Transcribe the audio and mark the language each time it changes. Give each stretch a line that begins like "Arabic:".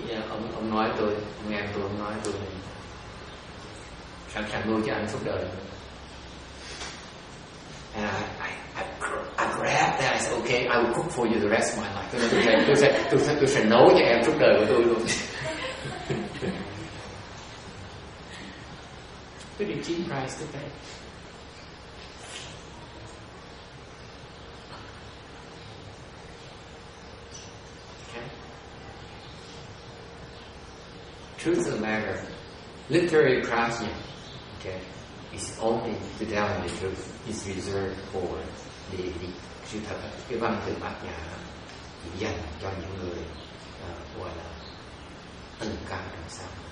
Vietnamese: Ông nói tôi, nghe tôi, ông nói tôi sẵn sàng nuôi cho anh suốt đời.
English: And I grabbed that. I said, okay, I will cook for you the rest of my life.
Vietnamese: Tôi sẽ nấu cho em suốt đời của tôi luôn.
English: Pretty cheap price to pay. Okay. Truth of the matter, literary craftsmen, okay, is only to tell the truth, is reserved for the elite.
Vietnamese: Sự thật, cái văn từ bát nhã chỉ dành cho những người gọi là tầng cao đằng sau.